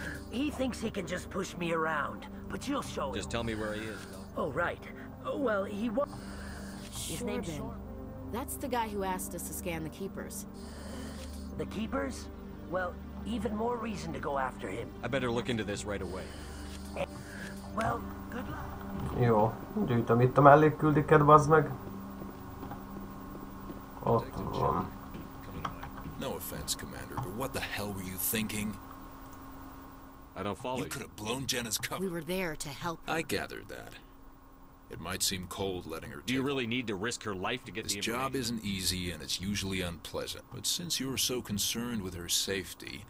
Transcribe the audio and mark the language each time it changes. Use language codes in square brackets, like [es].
[en] He thinks he can just push me around, but you'll show him. Just tell me where he is. Oh, right. Well, he wa... His name's... That's the guy who asked us to scan the Keepers. The Keepers? Well, even more reason to go after him. I better look into this right away. Well, good luck. [hu] Jó, gyűjtöm itt a mellékküldiket, bazd meg. Ott van. [en] No offense, Commander, but what the hell were you thinking? I don't follow you. You could have blown Jenna's cover. We were there to help her. I gathered that. It might seem cold letting her do. Do you really need to risk her life to get this job? Isn't easy and it's usually unpleasant, but since you're so concerned with her safety,